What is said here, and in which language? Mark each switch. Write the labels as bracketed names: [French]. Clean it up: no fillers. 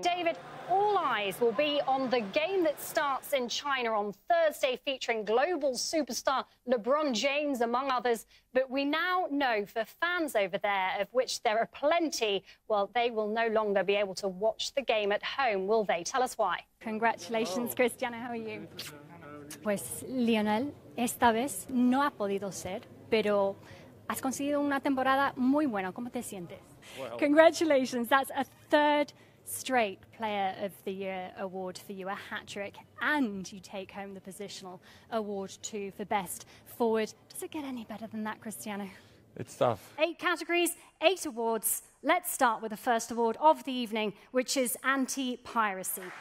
[English] David, all eyes will be on the game that starts in China on Thursday, featuring global superstar LeBron James, among others. But we now know for fans over there, of which there are plenty, well, they will no longer be able to watch the game at home, will they? Tell us why. Congratulations, Cristiano. How are you? [Spanish] Pues, Lionel, esta vez no ha podido ser, pero has conseguido una temporada muy buena. ¿Cómo te sientes? [English] Well, congratulations. That's a third straight Player of the Year award for you, a hat-trick, and you take home the positional award too for best forward. Does it get any better than that, Cristiano? It's tough. Eight categories, eight awards. Let's start with the first award of the evening, which is anti-piracy.